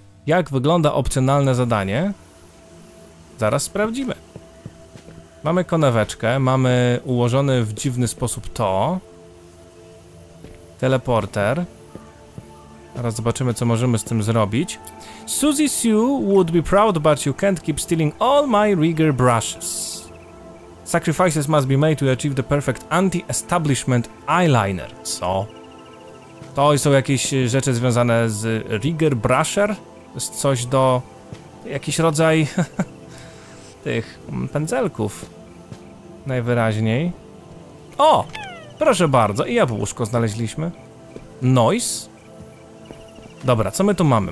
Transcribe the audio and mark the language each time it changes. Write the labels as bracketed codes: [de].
[pl] Jak wygląda opcjonalne zadanie? Zaraz sprawdzimy. Mamy konaweczkę. Mamy ułożony w dziwny sposób to. Teleporter. Teraz zobaczymy, co możemy z tym zrobić. [en] Suzy Sue would be proud, but you can't keep stealing all my rigger brushes. Sacrifices must be made to achieve the perfect anti-establishment eyeliner. [pl] Co? To są jakieś rzeczy związane z rigger brusher? Z coś do... jakiś rodzaj... tych... pędzelków. Najwyraźniej. O! Proszę bardzo, i jabłuszko znaleźliśmy. Noise. Dobra, co my tu mamy?